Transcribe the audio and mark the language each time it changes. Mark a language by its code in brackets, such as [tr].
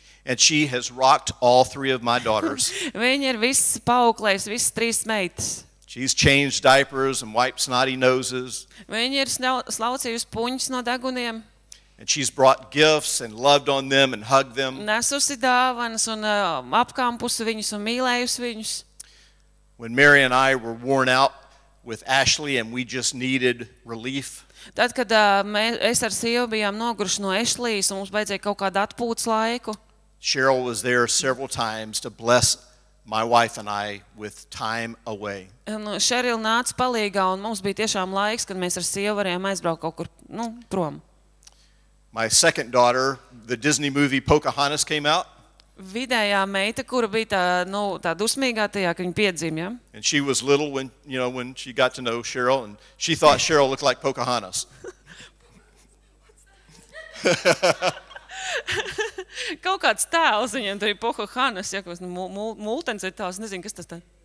[en] And she has rocked all three of my daughters. [lv] Viņa ir visas paauklējis, visas trīs meitas. [en] She's changed diapers and wiped snotty noses. [lv] Viņa ir slaucījusi puņus no deguniem. [en] And she's brought gifts and loved on them and hugged them. [lv] Nesusi dāvanas un apkāmpusi viņus un mīlējusi viņus. [en] When Mary and I were worn out with Ashley and we just needed relief. [lv] Tad kad es ar sievu bijām noguruši no Ashley's un mums vajadzēja kaut kādu atpūtas laiku. [en] Cheryl was there several times to bless my wife and I with time away. [lv] Un Cheryl nāca palīgā un mums bija tiešām laiks, kad mēs ar sievu varējām aizbraukt kaut kur, nu, prom. [en] My second daughter, the Disney movie Pocahontas came out. [lv] Vidējā meita, kura bija tā, nu, tā dusmīgā tajā, ka viņa piedzimja. [en] And she was little when, you know, when she got to know Cheryl and she thought Cheryl looked like Pocahontas. [lv] Kaut kāds tēls viņam tur ir Pocahontas, ja, kas multens ir tās, nezinu, kas tas tā.